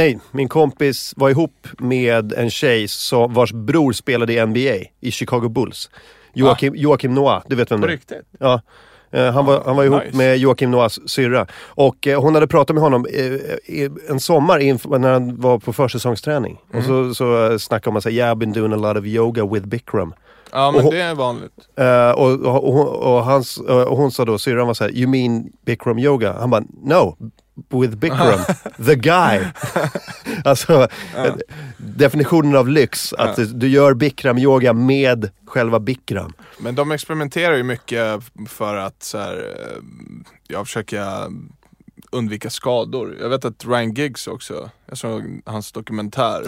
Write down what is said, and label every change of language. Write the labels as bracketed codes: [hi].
[sv] Min kompis var ihop med en tjej vars bror spelade i NBA i Chicago Bulls. Joakim Noah, du vet vem det är. Riktigt. Ja. Han var ihop nice. Med Joakim Noahs syrra. Och hon hade pratat med honom en sommar när han var på försäsongsträning. Mm. Och så snackade man så här, [en] yeah, I've been doing a lot of yoga with Bikram. [sv] Ja, men det är vanligt. Och hon sa då, syrran var så här, [en] you mean Bikram Yoga? [sv] Han bara, [en] no, with Bikram, the guy. [sv] Alltså, definitionen av lyx, att du gör Bikram Yoga med själva Bikram. Men de experimenterar ju mycket för att så här, jag försöker undvika skador. Jag vet att Ryan Giggs också, jag såg hans dokumentär.